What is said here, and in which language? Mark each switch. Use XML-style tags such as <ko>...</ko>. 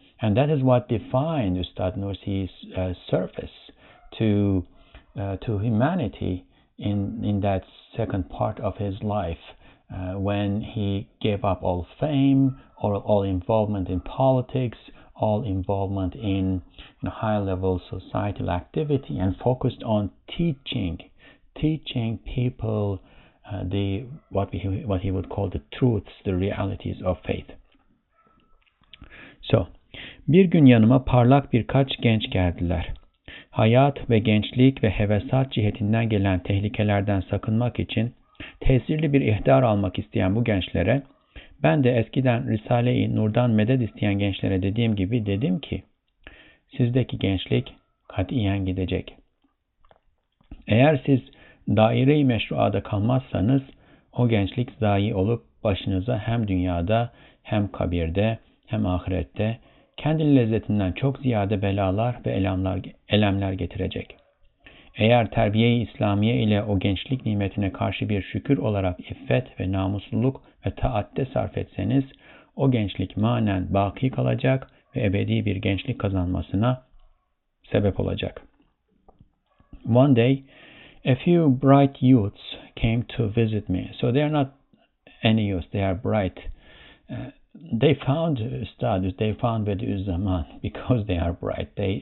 <en>And that is what defined Ustad Nursi's service to humanity in that second part of his life, when he gave up all fame, all involvement in politics, all involvement in, you know, high-level societal activity, and focused on teaching people what he would call the truths, the realities of faith.</en> <tr>So, bir gün yanıma parlak birkaç genç geldiler. Hayat ve gençlik ve hevesat cihetinden gelen tehlikelerden sakınmak için tesirli bir ihtar almak isteyen bu gençlere, ben de eskiden Risale-i Nur'dan medet isteyen gençlere dediğim gibi dedim ki, sizdeki gençlik katiyen gidecek. Eğer siz daire-i meşruada kalmazsanız, o gençlik zayi olup başınıza hem dünyada, hem kabirde, hem ahirette, kendi lezzetinden çok ziyade belalar ve elemler getirecek. Eğer terbiye-i İslamiye ile o gençlik nimetine karşı bir şükür olarak iffet ve namusluluk ve taatte sarf etseniz, o gençlik manen baki kalacak ve ebedi bir gençlik kazanmasına sebep olacak.</tr> <en>One day, a few bright youths came to visit me. So they are not any youths, they are bright. They found studies, they found Bediüzzaman because they are bright.</en>